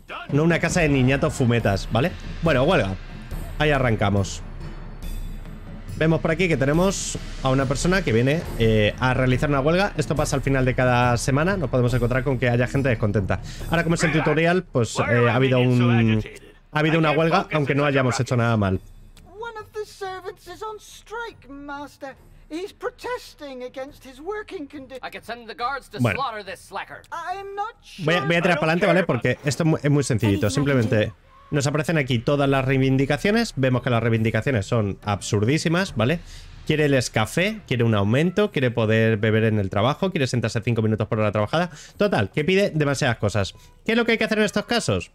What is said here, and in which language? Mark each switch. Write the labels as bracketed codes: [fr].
[es] No una casa de niñatos fumetas, ¿vale? Bueno, huelga. Ahí arrancamos. Vemos por aquí que tenemos a una persona que viene a realizar una huelga. Esto pasa al final de cada semana. Nos podemos encontrar con que haya gente descontenta. Ahora, como es el tutorial, pues ha habido una huelga, aunque no hayamos hecho nada mal. [en] One of the servants is on strike, master. He's protesting against his working condition. I can send the guards to slaughter this slacker. I'm not sure. [es] Voy a tirar para adelante, ¿vale? Porque esto es muy sencillito. Simplemente nos aparecen aquí todas las reivindicaciones. Vemos que las reivindicaciones son absurdísimas, ¿vale? Quiere el escafé, quiere un aumento, quiere poder beber en el trabajo, quiere sentarse 5 minutos por hora trabajada. Total, que pide demasiadas cosas. ¿Qué es lo que hay que hacer en estos casos?